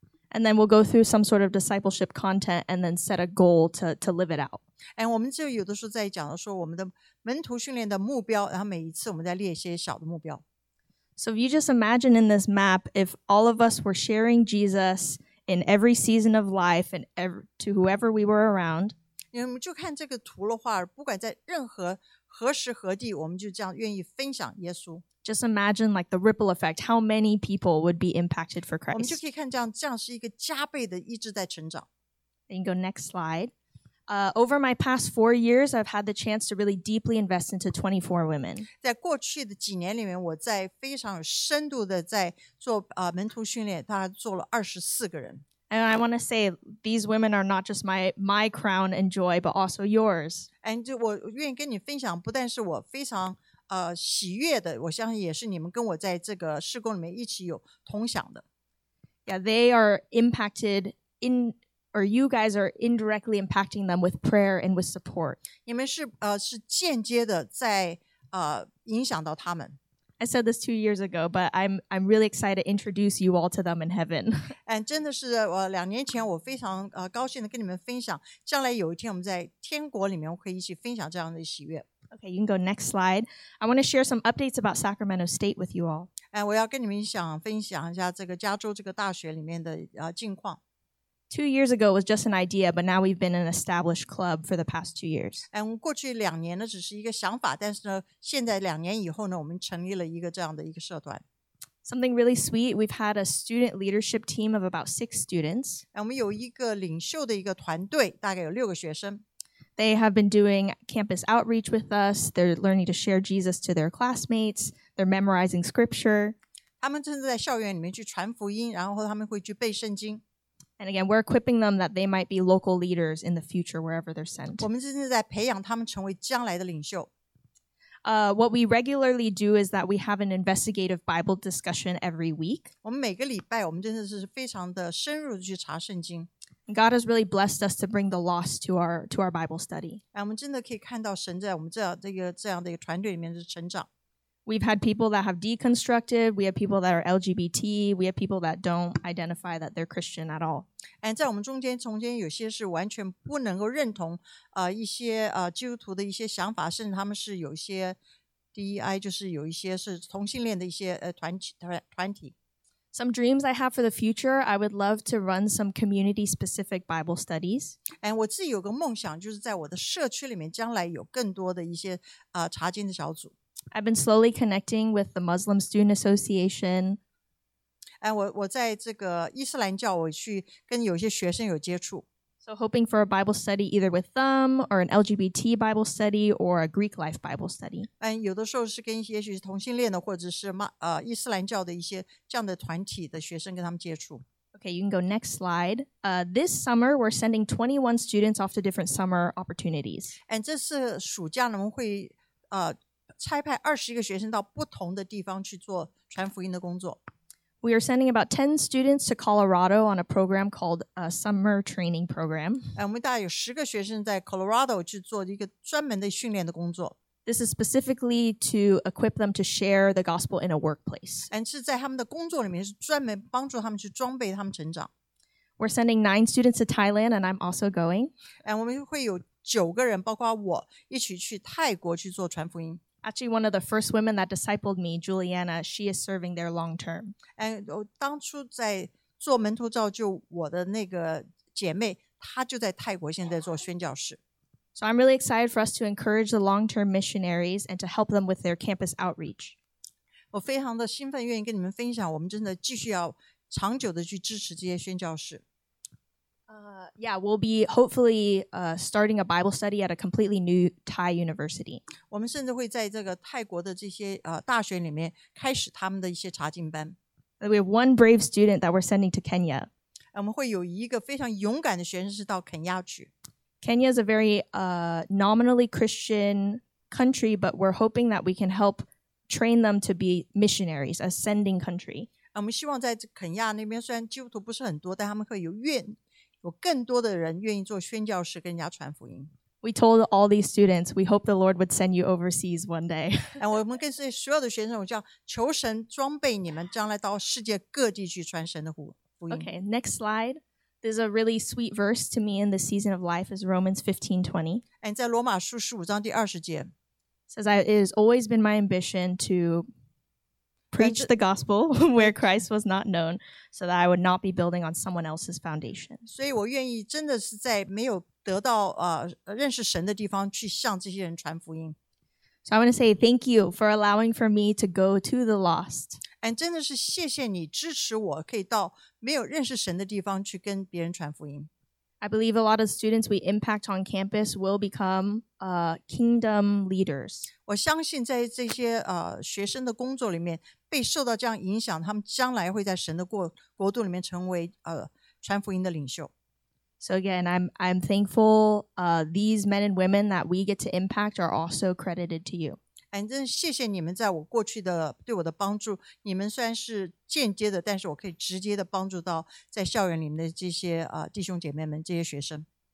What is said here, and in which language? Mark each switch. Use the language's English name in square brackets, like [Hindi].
[English] And then we'll go through some sort of discipleship content, and then set a goal to live it out. [Chinese] And 我们就有的时候在讲说我们的门徒训练的目标，然后每一次我们在列一些小的目标。 [English] So if you just imagine in this map, if all of us were sharing Jesus. In every season of life and to whoever we were around. [Chinese] 我们就看这个图的话，不管在任何何时何地，我们就这样愿意分享耶稣。 [English] Just imagine like the ripple effect, how many people would be impacted for Christ. [Chinese] 我们就可以看这样是一个加倍的一直在成长。 [English] Then you go next slide. Over my past 4 years, I've had the chance to really deeply invest into 24 women. [Chinese] 在过去的几年里面，我在非常深度的在做门徒训练，大概做了24个人。 [English] And I want to say these women are not just my crown and joy, but also yours. [Chinese] And 我愿意跟你分享，不但是我非常喜悦的，我相信也是你们跟我在这个事工里面一起有同享的。 [English] Yeah, they are impacted in. Or you guys are indirectly impacting them with prayer and with support. [Chinese] 你们是是间接的在影响到他们。 [English] I said this 2 years ago, but I'm really excited to introduce you all to them in heaven. [Chinese] And 真的是两年前我非常高兴的跟你们分享，将来有一天我们在天国里面，我可以一起分享这样的喜悦。 [English] Okay, you can go next slide. I want to share some updates about Sacramento State with you all. [Chinese] 我要跟你们分享一下这个加州这个大学里面的近况。 [English] 2 years ago, it was just an idea, but now we've been an established club for the past 2 years. [Chinese] And 过去两年呢，只是一个想法，但是呢，现在两年以后呢，我们成立了一个这样的一个社团。 [English] Something really sweet. We've had a student leadership team of about 6 students. [Chinese] And 我们有一个领袖的一个团队，大概有6个学生。 [English] They have been doing campus outreach with us. They're learning to share Jesus to their classmates. They're memorizing scripture. [Chinese] 他们正在校园里面去传福音，然后他们会去背圣经。 [English] And again, we're equipping them that they might be local leaders in the future wherever they're sent. [Chinese] 我们正在培养他们成为将来的领袖。 [English] What we regularly do is that we have an investigative Bible discussion every week. [Chinese] 我们每个礼拜，我们真的是非常的深入的去查圣经。 [English] God has really blessed us to bring the lost to our Bible study. [Chinese] 我们真的可以看到神在我们这样的一个团队里面的成长。 [English] We've had people that have deconstructed, we have people that are LGBT, we have people that don't identify that they're Christian at all. [Chinese] And 在我们中间，曾经有些是完全不能够认同一些基督徒的一些想法，甚至他们是有一些 DEI, 就是有一些是同性恋的一些团体。 [English] Some dreams I have for the future, I would love to run some community-specific Bible studies. [Chinese] And 我自己有个梦想，就是在我的社区里面将来有更多的一些查经的小组。 [English] I've been slowly connecting with the Muslim Student Association. [Chinese] And 我在这个伊斯兰教，我去跟有些学生有接触。 [English] So hoping for a Bible study either with them or an LGBT Bible study or a Greek life Bible study. [Chinese] And 有的时候是跟也许是同性恋的或者是伊斯兰教的一些这样的团体的学生跟他们接触。 [English] Okay, you can go next slide. This summer, we're sending 21 students off to different summer opportunities. [Chinese] And 这是暑假呢，我们会差派21个学生到不同的地方去做传福音的工作。 [English] We are sending about 10 students to Colorado on a program called a summer training program. [Chinese] 我们大概有10个学生在 Colorado 去做一个专门的训练的工作。 [English] This is specifically to equip them to share the gospel in a workplace. [Chinese] 是在他们的工作里面是专门帮助他们去装备他们成长。 [English] We're sending 9 students to Thailand and I'm also going. [Chinese] 我们会有9个人包括我一起去泰国去做传福音。 [English] Actually, one of the first women that discipled me, Juliana, she is serving there long term. [Chinese] And 当初在做门徒造就我的那个姐妹，她就在泰国现在做宣教士。 [English] So I'm really excited for us to encourage the long-term missionaries and to help them with their campus outreach. [Chinese] 我非常的兴奋，愿意跟你们分享，我们真的继续要长久的去支持这些宣教士。 [English] Yeah, we'll be hopefully starting a Bible study at a completely new Thai university. [Chinese] 我们甚至会在这个泰国的这些大学里面开始他们的一些查经班。 [English] We have one brave student that we're sending to Kenya. [Chinese] 我们会有一个非常勇敢的学生是到肯亚去。 [English] Kenya is a very nominally Christian country, but we're hoping that we can help train them to be missionaries, a sending country. [Chinese] 我们希望在肯亚那边虽然基督徒不是很多，但他们会有愿。有更多的人愿意做宣教士，跟人家传福音。 [English] We told all these students, we hope the Lord would send you overseas one day. [Chinese] 我们跟所有的学生，我叫求神装备你们，将来到世界各地去传神的福音。 [English] Okay, next slide. There's a really sweet verse to me in this season of life is Romans 15:20. [Chinese] 在罗马书十五章第二十节 [English] says it has always been my ambition to. Preach the gospel where Christ was not known, so that I would not be building on someone else's foundation. [Chinese] 所以我愿意真的是在没有得到认识神的地方去向这些人传福音。 [English] So I want to say thank you for allowing for me to go to the lost. [Chinese] And 真的是谢谢你支持我可以到没有认识神的地方去跟别人传福音。 [English] I believe a lot of students we impact on campus will become kingdom leaders. [Chinese] 我相信在这些学生的工作里面被受到这样影响，他们将来会在神的国度里面成为传福音的领袖。 [English] So again, I'm thankful these men and women that we get to impact are also credited to you. [Chinese] 真的谢谢你们在我过去的对我的帮助，你们虽然是间接的，但是我可以直接的帮助到在校园里面的这些弟兄姐妹们，这些学生。